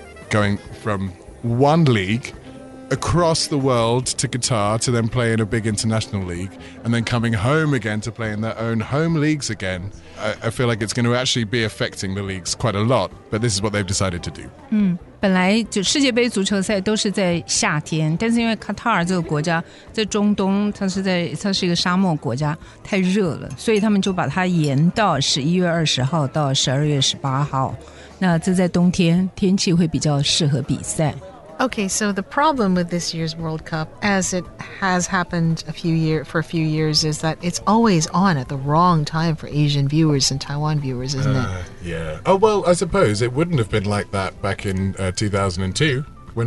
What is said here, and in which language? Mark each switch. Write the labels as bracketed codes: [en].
[en] Going from one league across the world to Qatar to then play in a big international league and then coming home again to play in their own home leagues again. I feel like it's going to actually be affecting the leagues quite a lot, but this is what they've decided to do. [zh] 本来就世界杯足球赛都是在夏天，但是因为 Qatar 这个国家在中东，它是一个沙漠国家，太热了，所以他们就把它延到11月20号到12月18号。那这在冬天，天气会比较适合比赛。 [en] Okay, so the problem with this year's World Cup, as it has happened for a few years, is that it's always on at the wrong time for Asian viewers and Taiwan viewers, isn't it? Yeah. Oh, well, I suppose it wouldn't have been like that back in 2002 when